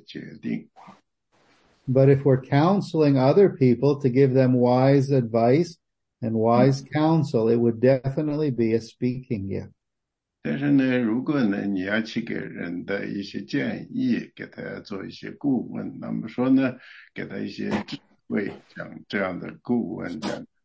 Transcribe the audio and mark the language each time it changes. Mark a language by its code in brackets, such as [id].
[zh] 因为这有可能呢，有一点点是说是，服侍的恩赐，因为你要去做正确的决定。But [en] if we're counseling other people to give them wise advice and wise counsel, it would definitely be a speaking gift. [zh] 但是呢，如果呢，你要去给人的一些建议，给他做一些顾问，那么说呢，给他一些智慧，这样的顾问讲。